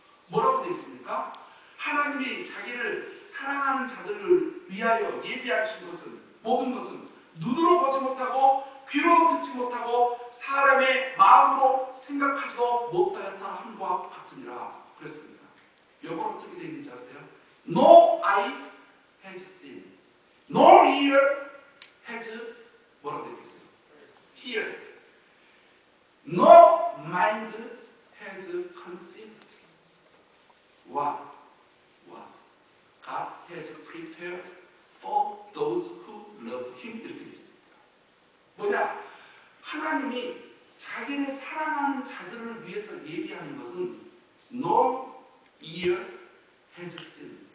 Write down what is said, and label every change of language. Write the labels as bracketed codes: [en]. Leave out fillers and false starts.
[ko] 뭐라고 되어 있습니까? 하나님이 자기를 사랑하는 자들을 위하여 예비하신 것은 모든 것은 눈으로 보지 못하고 귀로 듣지 못하고 사람의 마음으로 생각하지도 못하였다 함과 같으니라 그랬습니다. 영어로 어떻게 되어 있는지 아세요? [en] No eye has seen, no ear has [ko] 뭐라고 되어 있어요? [en] Hear, no mind has conceived what God has prepared for those who love Him. [ko] 이렇게 되어 있어요. 뭐냐? 하나님이 자기를 사랑하는 자들을 위해서 예비하는 것은 [en] No ear has seen.